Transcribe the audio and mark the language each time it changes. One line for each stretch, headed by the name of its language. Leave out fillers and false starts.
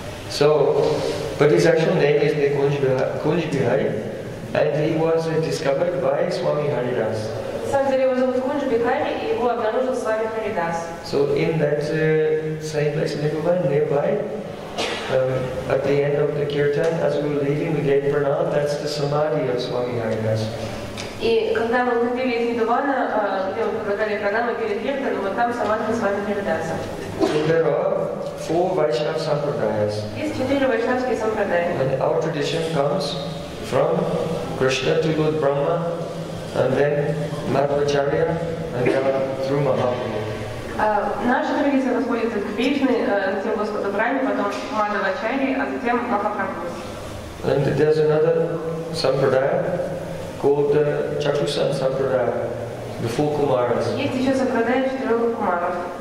English: So, but his actual name is Kunj Bihari, and he was discovered by Swami Haridas.
Russian: На самом деле его зовут Кунж Бихари, и его обнаружил с вами Харидас.
English: So in that same place, Nirvan, nearby, at the end of the kirtan, as we were leaving, we gave pranam, that's the samadhi of Swami Haridas.
Russian: И когда мы выходили из Нидувана, где мы предлагали пранамы перед киртаном, вот там самадхи с вами Харидаса.
English: So there are four Vaishnava sampradayas.
Russian: Есть четыре Vaishnavские sampradaya.
English: And our tradition comes from Krishna to Lord Brahma, and then Madhvacharya and then through Mahaprabhu.
Russian: Наша традиция восходит от Кришны, затем Господа Брахмы, потом Мадхвачарьи, а затем Махапрабху.
English: And there's another sampradaya called Chatusan sampradaya, the four Kumaras.
Russian: Есть еще сампрадая четырех Кумаров.